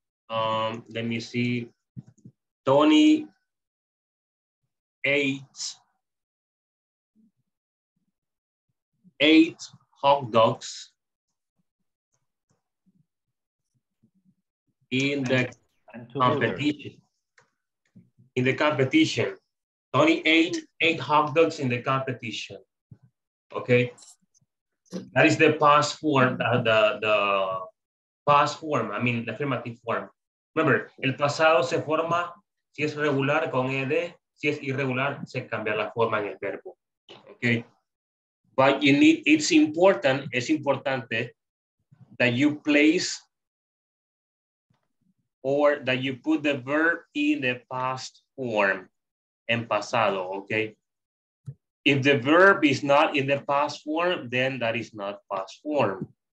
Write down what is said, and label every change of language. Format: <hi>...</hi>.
<en>Let me see. Tony ate hot dogs in the competition. In the competition. Tony ate 8 hot dogs in the competition. Okay. That is the past form, the past form, I mean the affirmative form.</en> <es>Remember, el pasado se forma si es regular con ed, si es irregular se cambia la forma en el verbo.</es> <en>Okay. But you need, it's important,</en> <es>es importante</es> <en>that you place or that you put the verb in the past form,</en> <es>en pasado,</es> <en>okay? If the verb is not in the past form, then that is not past form.</en>